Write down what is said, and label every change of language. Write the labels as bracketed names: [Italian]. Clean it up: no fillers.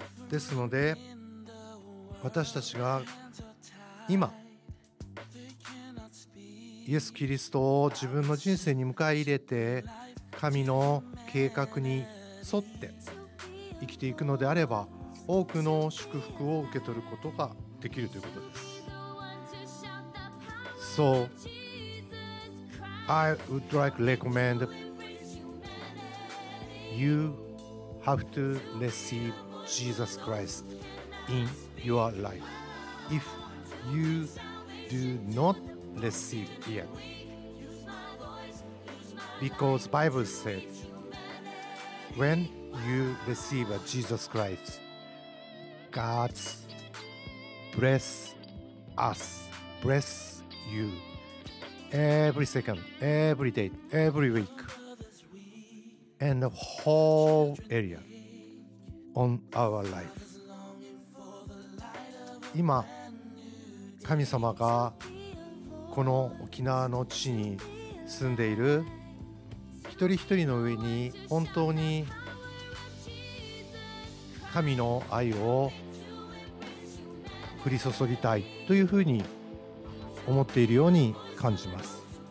[Japanese] ですので、私たちが今イエス・キリストを自分の人生に迎え入れて、神の計画に沿って生きていくのであれば、多くの祝福を受け取ることができるということです。 [English] So I would like to recommend you have to receive Jesus Christ in your life. If you do not receive yet, because Bible said when you receive Jesus Christ, God's bless us, bless you every second, every day, every week, and the whole area on our life. [Japanese] 今神様がこの沖縄の地に住んでいる一人一人の上に、本当に神の愛を降り注ぎたいというふうに思っているように感じます。